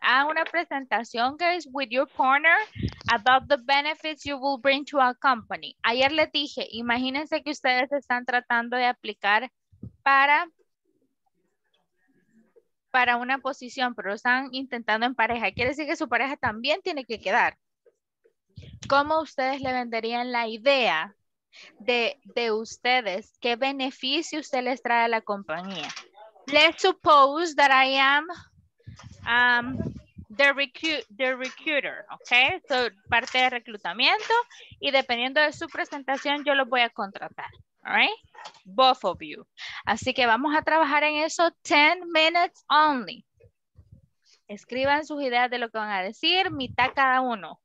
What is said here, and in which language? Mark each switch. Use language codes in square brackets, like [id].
[es] Haga una presentación, [en] guys, with your partner about the benefits you will bring to a company. [es] Ayer les dije, imagínense que ustedes están tratando de aplicar para para una posición, pero están intentando en pareja. Quiere decir que su pareja también tiene que quedar. ¿Cómo ustedes le venderían la idea de ustedes? ¿Qué beneficio usted les trae a la compañía? [en] Let's suppose that I am the recruiter, okay? [es] So, parte de reclutamiento, y dependiendo de su presentación, yo los voy a contratar, all right? [en] Both of you. [es] Así que vamos a trabajar en eso [en] 10 minutes only. [es] Escriban sus ideas de lo que van a decir, mitad cada uno.